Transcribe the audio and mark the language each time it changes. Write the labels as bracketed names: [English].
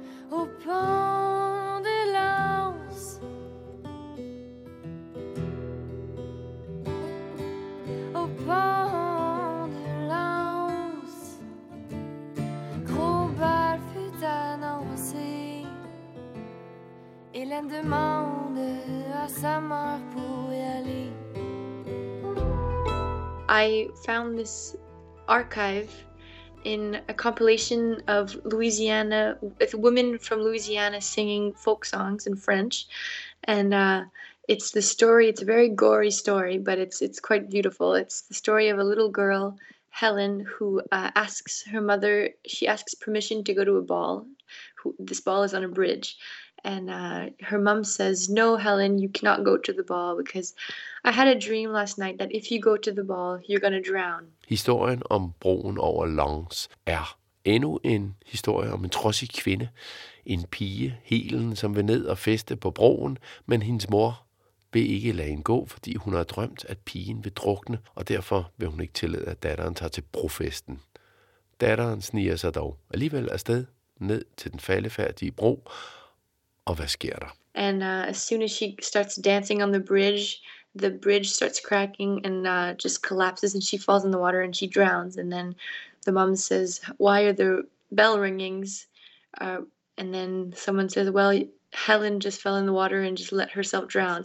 [French] Au pont de l'Anse, au pont de l'Anse, gros bal fut annoncé, Hélène demande à sa mère pour y aller. [English] I found this archive in a compilation of Louisiana, with women from Louisiana singing folk songs in French, and it's the story, it's a very gory story, but it's quite beautiful. It's the story of a little girl, Helen, who asks permission to go to a ball. This ball is on a bridge, and her mom says, "No, Helen, you cannot go to the ball, because I had a dream last night that if you go to the ball, you're gonna drown." [Danish] Historien om broen over Anse er endnu en historie om en trodsig kvinde, en pige, Helen, som vil ned og feste på broen, men hendes mor vil ikke lade hende gå, fordi hun har drømt, at pigen vil drukne, og derfor vil hun ikke tillade, at datteren tager til brofesten. Datteren sniger sig dog alligevel afsted ned til den faldefærdige bro, og hvad sker der? [English] And as soon as she starts dancing on the bridge starts cracking and just collapses, and she falls in the water and she drowns. And then the mom says, "Why are there bell ringings?" And then someone says, "Well, Helen just fell in the water and just let herself drown."